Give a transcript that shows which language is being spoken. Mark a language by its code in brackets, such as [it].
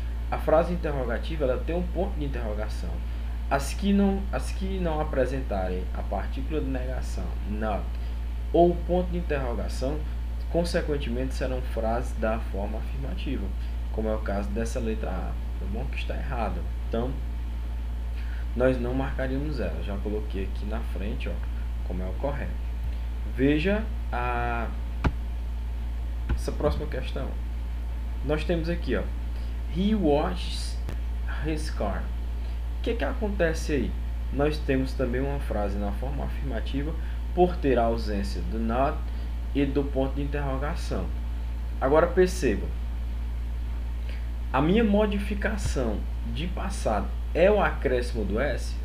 [pt] A frase interrogativa, ela tem um ponto de interrogação. As que não apresentarem a partícula de negação, not, ou ponto de interrogação, consequentemente serão frases da forma afirmativa, como é o caso dessa letra A, tá bom? Que está errada. Então, nós não marcaríamos ela. Já coloquei aqui na frente, ó, como é o correto. Veja essa próxima questão. Nós temos aqui, ó, [en] he washes his car. [pt] O que que acontece aí? Nós temos também uma frase na forma afirmativa por ter a ausência do not e do ponto de interrogação. Agora perceba, a minha modificação de passado é o acréscimo do S?